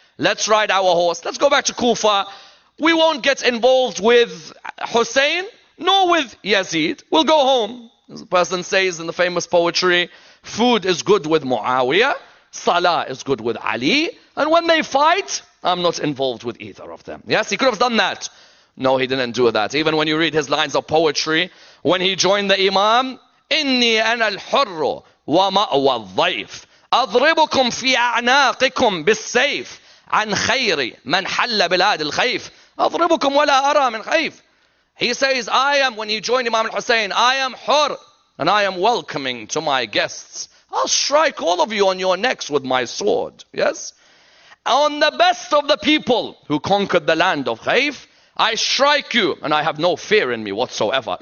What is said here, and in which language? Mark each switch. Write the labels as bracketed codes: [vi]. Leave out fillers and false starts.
[en] Let's ride our horse. Let's go back to Kufa. We won't get involved with Hussein, nor with Yazid. We'll go home. As the person says in the famous poetry, food is good with Muawiyah, salah is good with Ali, and when they fight, I'm not involved with either of them. Yes, he could have done that. No, he didn't do that. Even when you read his lines of poetry, when he joined the Imam, [ar] إِنِّي أَنَا الْحُرُّ وَمَأْوَى الضَّيْفِ أَضْرِبُكُمْ فِي أَعْنَاقِكُمْ بِالسَّيْفِ عَنْ خَيْرِ مَنْ حَلَّ بِلَادِ الْخَيْفِ أَضْرِبُكُمْ وَلَا أَرَى مِنْ خَيْفِ. [en] He says, I am, when he joined Imam al-Hussein, I am Hur, and I am welcoming to my guests. I'll strike all of you on your necks with my sword. Yes? On the best of the people who conquered the land of Khayf, I strike you, and I have no fear in me whatsoever.